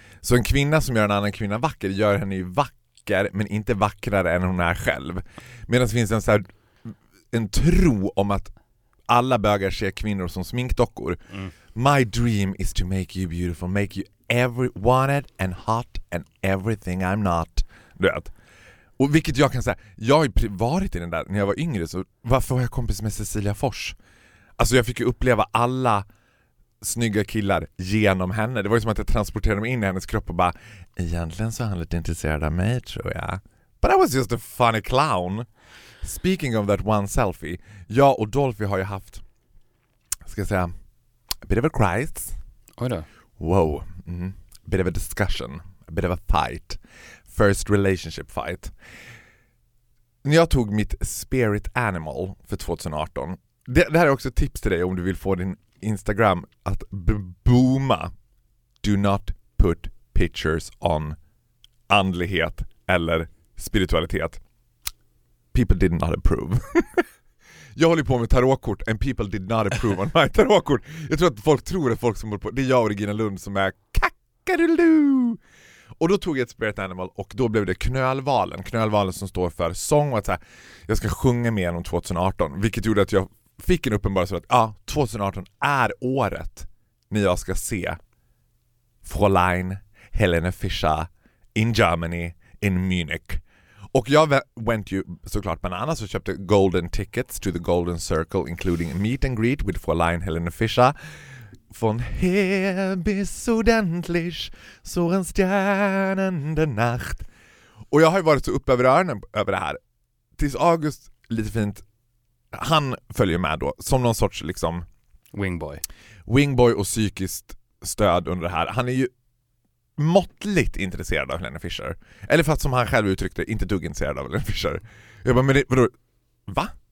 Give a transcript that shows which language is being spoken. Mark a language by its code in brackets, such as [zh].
[sv] Så en kvinna som gör en annan kvinna vacker gör henne ju vacker, men inte vackrare än hon är själv. Medan det finns en så här, en tro om att alla bögar ser kvinnor som sminkdockor. Mm. [en] My dream is to make you beautiful, make you every wanted and hot and everything I'm not. [sv] Du vet. Och vilket jag kan säga, jag har ju varit i den där när jag var yngre, så varför var jag kompis med Cecilia Fors? Alltså jag fick ju uppleva alla snygga killar genom henne. Det var ju som att jag transporterade mig in i hennes kropp och bara, egentligen så är han lite intresserad av mig tror jag. [en] But I was just a funny clown. Speaking of that one selfie, [sv] jag och Dolphy har ju haft, ska jag säga, [en] a bit of a crisis. [sv] Oj då. [en] Wow. Mm. Bit of a discussion. A bit of a fight. First relationship fight. [sv] När jag tog mitt spirit animal för 2018. Det här är också ett tips till dig om du vill få din Instagram att booma. [en] Do not put pictures on [sv] andlighet eller spiritualitet. [en] People did not approve. [sv] Jag håller på med tarotkort [en] and people did not approve on my tarotkort. [sv] Jag tror att folk tror att folk som håller på, det är jag och Regina Lund som är kackarulu. Och då tog jag ett spirit animal och då blev det knölvalen. Knölvalen som står för sång och att så här, jag ska sjunga med om 2018. Vilket gjorde att jag fick en uppenbarelse att ja, 2018 är året när jag ska se Fräulein Helene Fischer [en] in Germany, in Munich. [sv] Och jag went ju såklart bananas och köpte golden tickets to the Golden Circle, including meet and greet with Fräulein Helene Fischer. Von her bis ordentlich, so en stjärnende natt. Och jag har ju varit så uppe över öronen över det här. Tills August, lite fint, han följer med då som någon sorts liksom... [en] Wingboy. [sv] Wingboy och psykiskt stöd under det här. Han är ju måttligt intresserad av Helene Fischer. Eller för att som han själv uttryckte, inte dugg intresserad av Helene Fischer. Jag bara, men vadå? Va?